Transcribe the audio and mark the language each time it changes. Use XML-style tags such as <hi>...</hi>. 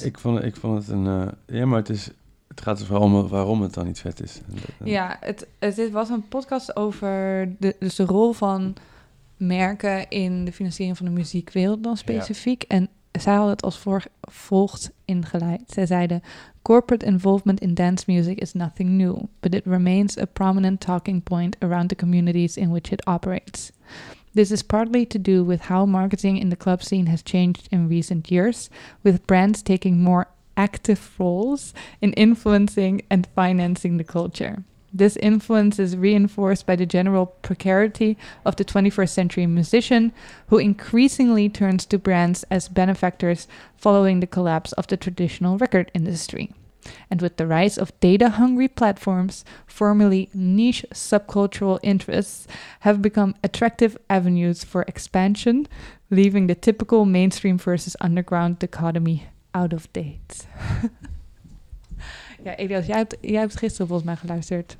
<nl>Nee, ik vond het een... ja, maar het gaat er vooral om waarom het dan niet vet is. Ja, het was een podcast over de rol van merken in de financiering van de muziekwereld dan specifiek. Ja. En zij hadden het als volgt ingeleid. Zij zeiden,</nl> <en>corporate involvement in dance music is nothing new, but it remains a prominent talking point around the communities in which it operates. This is partly to do with how marketing in the club scene has changed in recent years, with brands taking more active roles in influencing and financing the culture. This influence is reinforced by the general precarity of the 21st century musician, who increasingly turns to brands as benefactors following the collapse of the traditional record industry. And with the rise of data-hungry platforms, formerly niche subcultural interests have become attractive avenues for expansion, leaving the typical mainstream versus underground dichotomy out of date.</en> <nl>Ja, Elias, jij hebt gisteren volgens mij geluisterd.</nl>